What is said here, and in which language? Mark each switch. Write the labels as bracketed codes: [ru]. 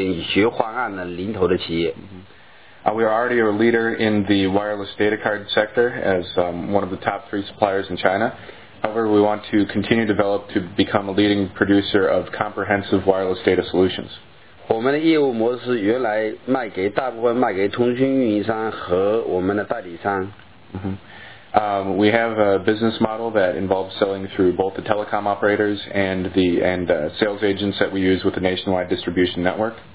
[zh] 我们已经成为中国无线的数据卡的供应商之一，但是我们还要成为我们无线数据解决方案的领头的企业。 [en] We are already a leader in the wireless data card sector as one of the top three suppliers in China. However, we want to continue to develop to become a leading producer of comprehensive wireless data solutions. [zh] 我们的业务模式原来卖给大部分卖给通讯运营商和我们的代理商。 [en] We have a business model that involves selling through both the telecom operators and the sales agents that we use with the nationwide distribution network.